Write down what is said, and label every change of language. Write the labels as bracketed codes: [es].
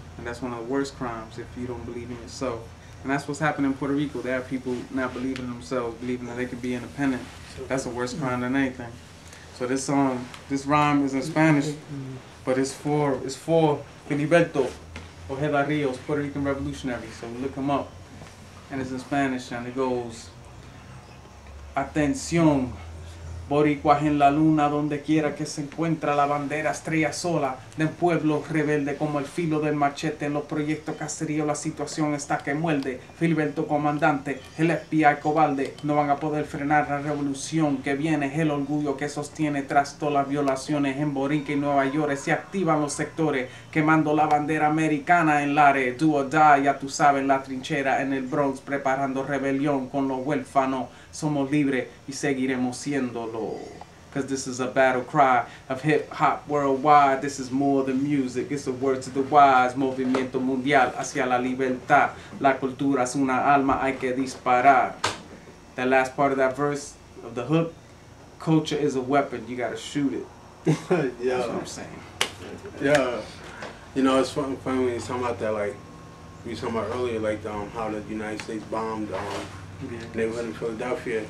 [en] And that's one of the worst crimes, if you don't believe in yourself. And that's what's happening in Puerto Rico. There are people not believing in themselves, believing that they can be independent. That's a worse crime than anything. So this song, this rhyme is in Spanish, but it's for Filiberto Ojeda Rios, Puerto Rican revolutionary. So look him up. [es] And it's in Spanish, and it goes, Atención, boricuas en la luna, donde quiera que se encuentra la bandera estrella sola, del pueblo rebelde como el filo del machete, en los proyectos caserío la situación está que muerde, Filiberto comandante, el FBI cobarde, no van a poder frenar la revolución que viene, el orgullo que sostiene tras todas las violaciones en Borinque y Nueva York, se activan los sectores, quemando la bandera americana en Lare, [en] do or die, [es] ya tú sabes, la trinchera en el Bronx, preparando rebelión con los huérfanos, somos libres y seguiremos siéndolo. [en] Cause this is a battle cry of hip hop worldwide. This is more than music, it's a word to the wise. [es] Movimiento mundial hacia la libertad. La cultura es una alma, hay que disparar. [en] That last part of that verse, of the hook, culture is a weapon, you gotta shoot it. Yeah. That's what I'm saying. Yeah. You know, it's funny when you're talking about that, like, we were talking about earlier, like, how the United States bombed, yeah. Neighborhood in Philadelphia.